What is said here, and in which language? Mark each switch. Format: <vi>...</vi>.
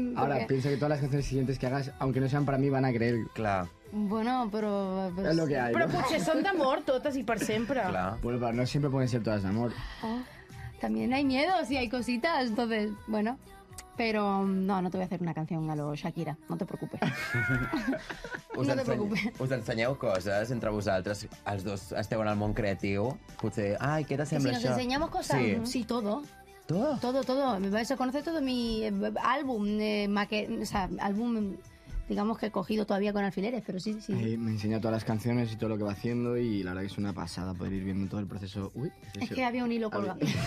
<es>Ahora, pienso que todas las canciones siguientes que hagas, aunque no sean para mí, van a creer. Claro.</es> <ca>Bueno, però...</ca> <es>Pues... És lo que hay,</es> <ca>però potser són d'amor totes i per sempre.</ca> <es>Claro.</es> <ca>Bueno, però no sempre poden ser totes d'amor. Oh.</ca> <es>también hay miedos y hay cositas, entonces, bueno. Pero no, no te voy a hacer una canción a lo Shakira, no te preocupes.</es> <ca>Us ensenyeu coses entre vosaltres, els dos esteu en el món creatiu, potser... Ai, què t'assembla això?</ca> <es>Si nos ensenyamos cosas, sí, sí, todo. ¿Todo? Todo, todo. Me vais a conocer todo mi álbum, o sea, álbum... Digamos que he cogido todavía con alfileres, pero sí, sí. Me enseña todas las canciones y todo lo que va haciendo y la verdad que es una pasada poder ir viendo todo el proceso. Uy, es que había un hilo colgado.</es>